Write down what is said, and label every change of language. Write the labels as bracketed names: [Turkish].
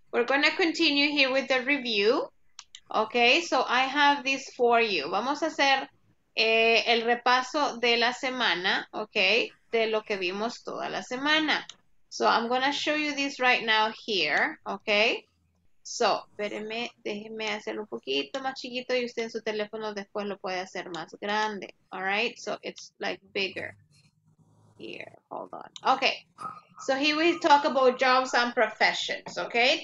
[English] We're going to continue here with the review. Okay, so I have this for you. [Spanish] Vamos a hacer el repaso de la semana, okay, de lo que vimos toda la semana. [English] So I'm going to show you this right now here, okay? [Spanish] So, espérenme, déjenme hacerlo un poquito más chiquito y usted en su teléfono después lo puede hacer más grande, all right? [English] So it's like bigger here, hold on. Okay, so here we talk about jobs and professions, okay?